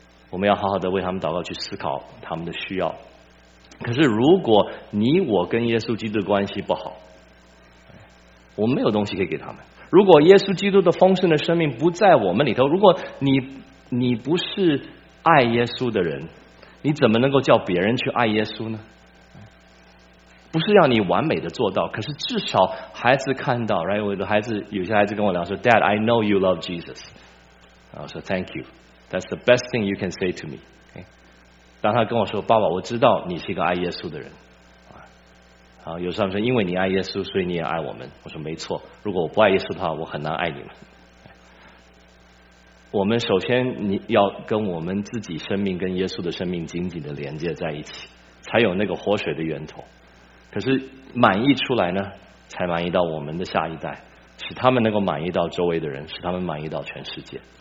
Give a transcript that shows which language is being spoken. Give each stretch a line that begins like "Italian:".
Chinese: 我们要好好的为他们祷告，去思考他们的需要。可是如果你我跟耶稣基督的关系不好，我们没有东西可以给他们，如果耶稣基督的丰盛的生命不在我们里头，如果你不是爱耶稣的人，你怎么能够叫别人去爱耶稣呢？不是要你完美的做到，可是至少孩子看到，right？ 我的孩子，有些孩子跟我聊说
English: Dad I know you love Jesus，
Chinese: 我说
English: Thank you， That's the best thing you can say to me。
Chinese: 当他跟我说爸爸我知道你是一个爱耶稣的人，好，有时候说因为你爱耶稣所以你也爱我们，我说没错，如果我不爱耶稣的话我很难爱你们。我们首先你要跟我们自己生命跟耶稣的生命紧紧的连接在一起，才有那个活水的源头，可是满溢出来呢才满溢到我们的下一代，使他们能够满溢到周围的人，使他们满溢到全世界。